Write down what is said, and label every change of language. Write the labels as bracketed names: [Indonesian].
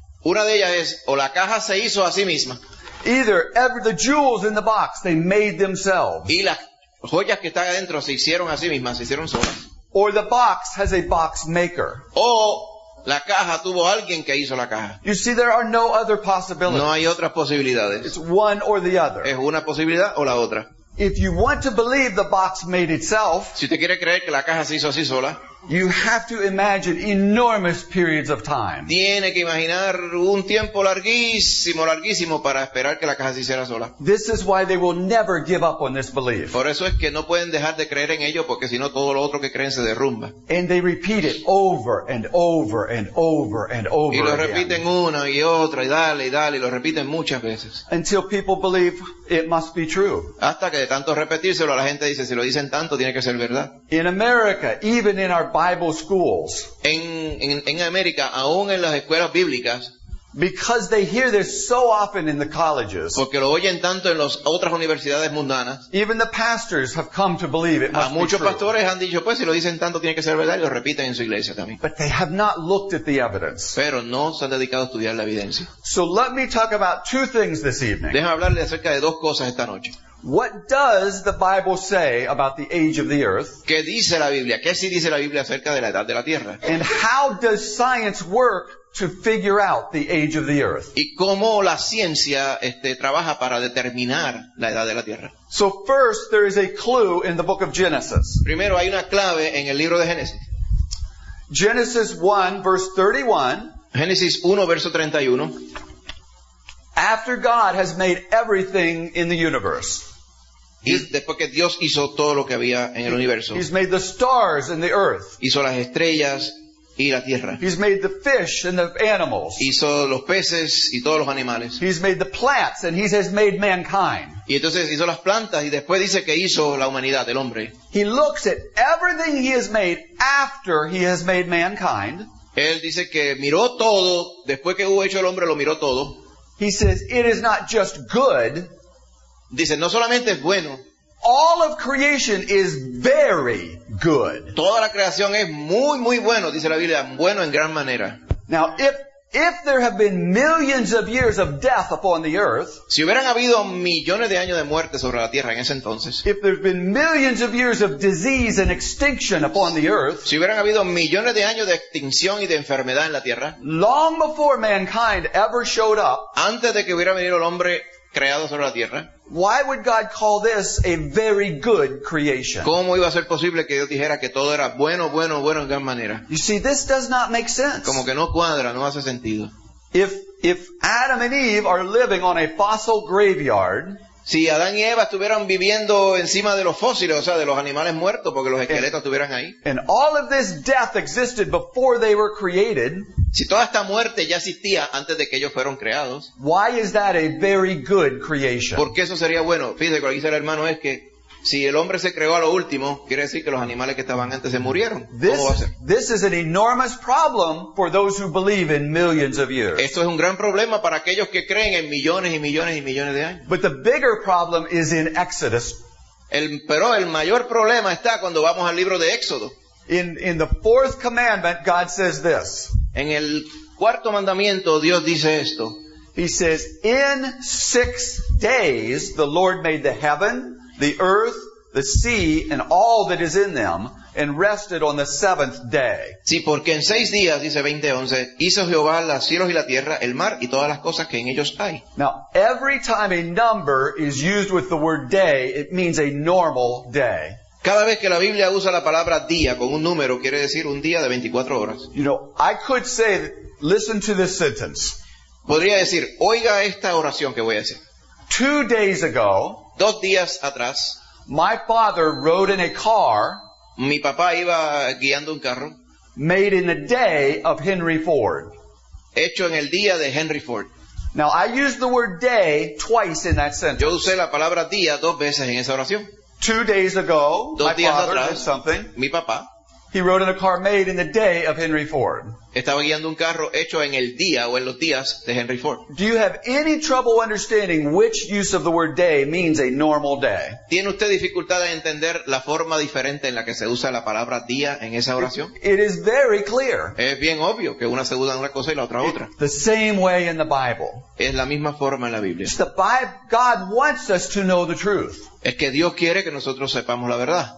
[Spanish] Una de ellas es o la caja se hizo a sí misma. [English] Either the jewels in the box they made themselves. [Spanish] Y las joyas que están adentro se hicieron a sí mismas, se hicieron solas. [English] Or the box has a box maker. [Spanish] O la caja tuvo alguien que hizo la caja. [English] You see, there are no other possibilities. [Spanish] No hay otras posibilidades. [English] It's one or the other. [Spanish] Es una posibilidad o la otra. [English] If you want to believe the box made itself, [Spanish] si usted quiere creer que la caja se hizo así sola, [English] you have to imagine enormous periods of time. [Spanish] Tiene que imaginar un tiempo larguísimo, larguísimo para esperar que la caja se hiciera sola. [English] This is why they will never give up on this belief. [Spanish] Por eso es que no pueden dejar de creer en ello, porque si no todo lo otro que creen se derrumba. [English] And they repeat it over and over and over and over again. [Spanish] Y lo repiten una y otra y dale, y lo repiten muchas veces. [English] Until people believe it must be true. [Spanish] Hasta que de tanto repetírselo la gente dice, si lo dicen tanto tiene que ser verdad. [English] In America, even in our Bible schools. [Spanish] En América, aún en las escuelas bíblicas. [English] Because they hear this so often in the colleges. [Spanish] Porque lo oyen tanto en las otras universidades mundanas. [English] Even the pastors have come to believe it must be true. [Spanish] A muchos pastores han dicho, pues si lo dicen tanto tiene que ser verdad, y lo repiten en su iglesia también. [English] But they have not looked at the evidence. [Spanish] Pero no se han dedicado a estudiar la evidencia. [English] So let me talk about two things this evening. [Spanish] Déjame hablarle acerca de dos cosas esta noche. [English] What does the Bible say about the age of the earth? [Spanish] ¿Qué dice la Biblia? ¿Qué sí dice la Biblia acerca de la edad de la tierra? [English] And how does science work to figure out the age of the earth? [Spanish] ¿Y cómo la ciencia trabaja para determinar la edad de la tierra? [English] So first, there is a clue in the book of Genesis. [Spanish] Primero, hay una clave en el libro de Génesis. [English] Genesis 1, verse 31. [Spanish] Génesis 1, verso 31. [English] After God has made everything in the universe. [Spanish] Y después que Dios hizo todo lo que había en el universo. [English] He's made the stars and the earth. [Spanish] Hizo las estrellas y la tierra. [English] He's made the fish and the animals. [Spanish] Hizo los peces y todos los animales. [English] He's made the plants and he has made mankind. [Spanish] Y entonces hizo las plantas y después dice que hizo la humanidad, el hombre. [English] He looks at everything he has made after he has made mankind. [Spanish] Él dice que miró todo, después que hubo hecho el hombre, lo miró todo. [English] He says, it is not just good. [Spanish] Dice, no solamente es bueno. [English] All of creation is very good. [Spanish] Toda la creación es muy, muy bueno, dice la Biblia, bueno en gran manera. [English] Now, if there have been millions of years of death upon the earth, [Spanish] si hubieran habido millones de años de muerte sobre la tierra en ese entonces, [English] if there have been millions of years of disease and extinction upon the earth, [Spanish] si hubieran habido millones de años de extinción y de enfermedad en la tierra, [English] long before mankind ever showed up, [Spanish] antes de que hubiera venido el hombre creado sobre la tierra, [English] why would God call this a very good creation? [Spanish] ¿Cómo iba a ser posible que Dios dijera que todo era bueno, bueno, bueno en gran manera? [English] You see, this does not make sense. [Spanish] Como que no cuadra, no hace sentido. [English] If Adam and Eve are living on a fossil graveyard, [Spanish] si Adán y Eva estuvieran viviendo encima de los fósiles, o sea, de los animales muertos, porque los esqueletos estuvieran ahí, [English] and all of this death existed before they were created, [Spanish] si toda esta muerte ya existía antes de que ellos fueron creados, [English] why is that a very good creation? [Spanish] ¿Por qué eso sería bueno? Fíjese, lo que dice el hermano es que si el hombre se creó a lo último, quiere decir que los animales que estaban antes se murieron. [English] This, [Spanish] ¿cómo va a ser? [English] This is an enormous problem for those who believe in millions of years. [Spanish] Esto es un gran problema para aquellos que creen en millones y millones y millones de años. [English] But the bigger problem is in Exodus. [Spanish] Pero el mayor problema está cuando vamos al libro de Éxodo. [English] In the fourth commandment, God says this. [Spanish] En el cuarto mandamiento, Dios dice esto. [English] He says, in 6 days, the Lord made the heaven, the earth, the sea, and all that is in them, and rested on the seventh day. [Spanish] Sí, porque en 6 días, dice 20:11, hizo Jehová los cielos y la tierra, el mar y todas las cosas que en ellos hay. [English] Now, every time a number is used with the word day, it means a normal day. [Spanish] Cada vez que la Biblia usa la palabra día con un número, quiere decir un día de 24 horas. [English] You know, I could say, listen to this sentence. [Spanish] Podría decir, oiga esta oración que voy a decir. [English] 2 days ago, [Spanish] 2 días atrás, [English] my father rode in a car, [Spanish] mi papá iba guiando un carro, [English] made in the day of Henry Ford, [Spanish] hecho en el día de Henry Ford. [English] Now, I used the word day twice in that sentence. [Spanish] Yo usé la palabra día 2 veces en esa oración. [English] 2 days ago, [Spanish] dos [English] my [Spanish] días [English] father [Spanish] atrás, [English] did something. [Spanish] Mi papá, [English] he rode in a car made in the day of Henry Ford. [Spanish] Estaba guiando un carro hecho en el día o en los días de Henry Ford. [English] Do you have any trouble understanding which use of the word day means a normal day? [Spanish] ¿Tiene usted dificultad de entender la forma diferente en la que se usa la palabra día en esa oración? [English] It is very clear. [Spanish] Es bien obvio que una se usa una cosa y la otra otra. [English] The same way in the Bible. [Spanish] Es la misma forma en la Biblia. [English] It's the Bible. God wants us to know the truth. [Spanish] Es que Dios quiere que nosotros sepamos la verdad.